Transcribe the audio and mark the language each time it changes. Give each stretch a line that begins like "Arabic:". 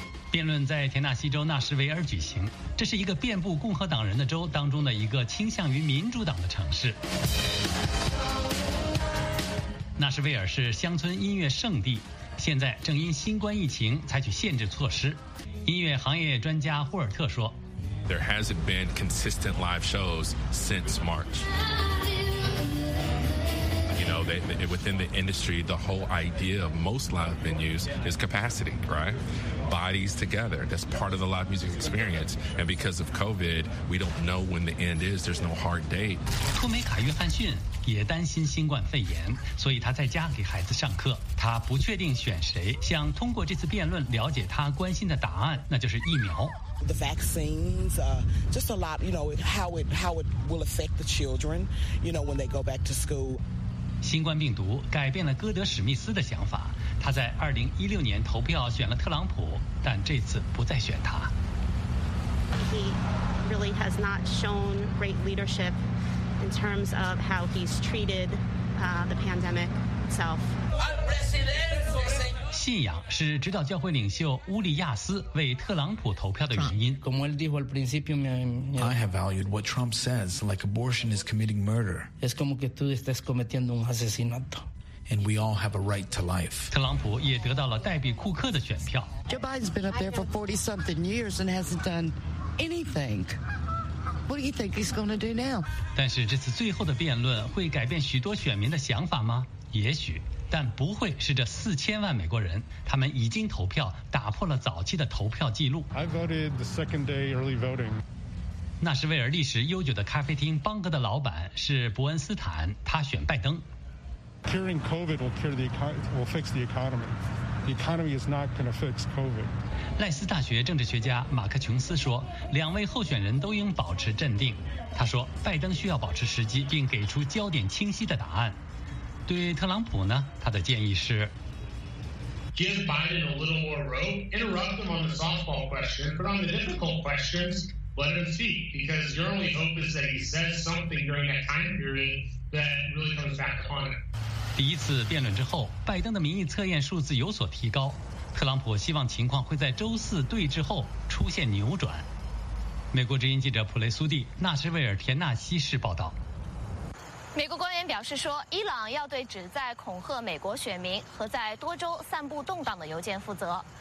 Chinese: 辩论在田纳西州纳什维尔举行，这是一个遍布共和党人的州当中的一个倾向于民主党的城市。纳什维尔是乡村音乐圣地，现在正因新冠疫情采取限制措施。音乐行业专家霍尔特说
English: There hasn't been consistent live shows since March. You know, within the industry, the whole idea of most live venues is capacity, right? Bodies together. That's part of the live music experience. And because of COVID, we don't know when the end is. There's no hard date.
Chinese: 托梅卡约翰逊也担心新冠肺炎，所以他在家给孩子上课。他不确定选谁，想通过这次辩论了解他关心的答案，那就是疫苗。
English: The vaccines, just a lot, you know, how it will affect the children, you know, when they go back to school.
Chinese: 新冠病毒改变了戈德史密斯的想法，他在2016年投票选了特朗普，但这次不再选他。
English: He really has not shown great leadership in terms of how he's treated the pandemic itself. I'm president.
Chinese: 信仰是指导教会领袖乌利亚斯为特朗普投票的原因。
Spanish: Como él dijo al principio,
English: I have valued what Trump says, like abortion is committing murder.
Spanish: Es como que tú estás cometiendo un asesinato.
English: And we all have a right to life.
Chinese: 特朗普也得到了黛比·库克的选票。
English: Joe Biden's been up there for 40-something years and hasn't done anything. What do you think he's going to do now?
Chinese: 但是这次最后的辩论会改变许多选民的想法吗？也许。但不会是这4000万美国人，他们已经投票，打破了早期的投票记录。
English: I voted the second day early voting.
Chinese: 纳什维尔历史悠久的咖啡厅邦格的老板是伯恩斯坦，他选拜登。
English: Curing COVID will cure the economy, will fix the economy. The economy is not going to fix COVID.
Chinese: 赖斯大学政治学家马克琼斯说，两位候选人都应保持镇定。他说，拜登需要保持时机，并给出焦点清晰的答案。对特朗普呢，他的建议是
English: ：Give Biden a little more rope. Interrupt him on the softball question, but on the difficult questions, let him speak. Because your only hope is that he says something during that time period that really comes back upon him.
Chinese: 第一次辩论之后，拜登的民意测验数字有所提高。特朗普希望情况会在周四对峙后出现扭转。美国之音记者普雷苏蒂、纳什维尔田纳西市报道。美国官员表示说，伊朗要对旨在恐吓美国选民和在多州散布动荡的邮件负责。